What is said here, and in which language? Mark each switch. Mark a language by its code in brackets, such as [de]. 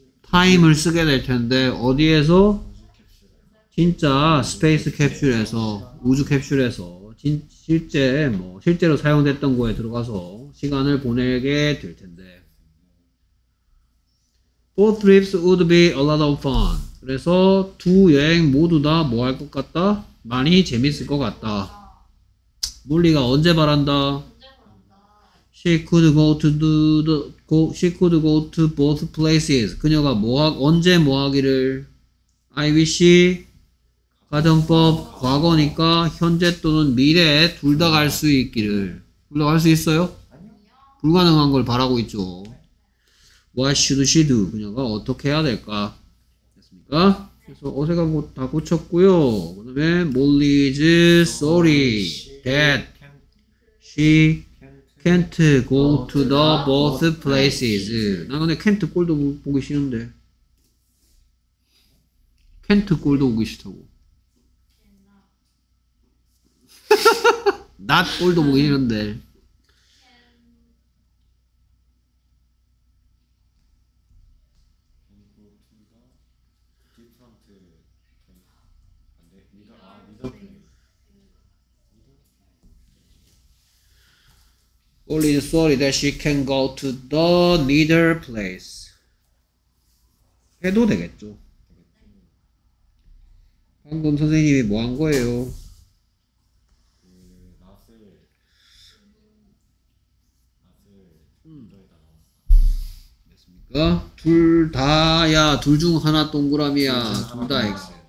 [ko] time을 쓰게 될 텐데. 어디에서? 진짜 스페이스 캡슐에서, 우주 캡슐에서 실제 뭐 실제로 사용됐던 곳에 들어가서 시간을 보내게 될 텐데. [en] Both trips would be a lot of fun. [ko] 그래서 두 여행 모두 다 뭐 할 것 같다? 많이 재밌을 것 같다. 몰리가 언제 바란다? [en] She could go to both places. [ko] 그녀가 언제 뭐 하기를? I wish 가정법 과거니까 현재 또는 미래에 둘 다 갈 수 있기를. 둘 다 갈 수 있어요? 불가능한 걸 바라고 있죠. [en] What should she do? [ko] 그녀가 어떻게 해야 될까? 됐습니까? 그래서 어색한 거 다 고쳤고요. 그 다음에 [en] Molly's sorry that she can't go to the both places. [ko] 나 근데 can't 꼴도 보기 싫은데. can't 꼴도 보기 싫다고. not 꼴도 보기 싫은데. [en] Only sorry that she can go to the neither place. [ko] 해도 되겠죠. 방금 선생님이 뭐 한 거예요? 어? 둘 다야. 둘 중 하나 동그라미야. 둘 다 X.